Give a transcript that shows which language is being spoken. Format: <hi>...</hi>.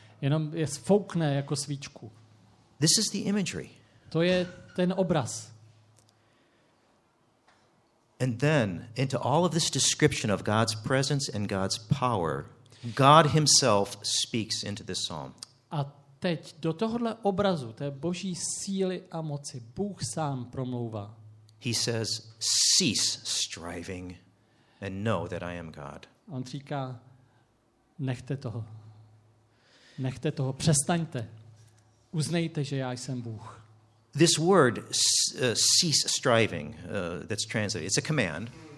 <cs>Jenom je sfoukne jako svíčku.</cs> <en>This is the imagery.</en> <cs>To je ten obraz.</cs> <en>And then into all of this description of God's presence and God's power, God himself speaks into this psalm.</en> <cs>Teď do tohohle obrazu té boží síly a moci Bůh sám promlouvá.</cs> <en>He says, cease striving and know that I am God.</en> <cs>On říká, nechte toho, přestaňte, uznejte, že já jsem Bůh.</cs> <en>This word, cease striving, that's translated, it's a command.</en>